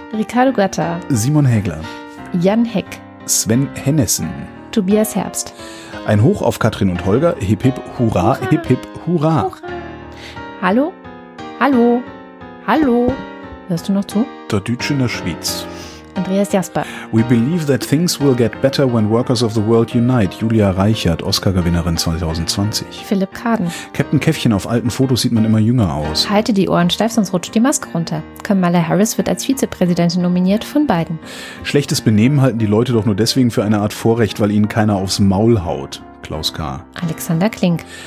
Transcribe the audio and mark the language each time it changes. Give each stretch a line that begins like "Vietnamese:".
German: Ricardo Gatta. Simon Hägler. Jan Heck. Sven Hennessen. Tobias Herbst. Ein Hoch auf Katrin und Holger. Hip hip hurra, hurra. Hip hip hurra. Hallo? Hallo? Hallo? Hörst du noch zu? Dr. Dütsch in der Schweiz. Andreas Jasper.
English: We believe that things will get better when workers of the world unite.
German: Julia Reichert, Oscar-Gewinnerin 2020. Philipp Kaden. Captain Käffchen, auf alten Fotos sieht man immer jünger aus. Halte die Ohren steif, sonst rutscht die Maske runter. Kamala Harris wird als Vizepräsidentin nominiert von Biden. Schlechtes Benehmen halten die Leute doch nur deswegen für eine Art Vorrecht, weil ihnen keiner aufs Maul haut. Klaus K. Alexander Klink.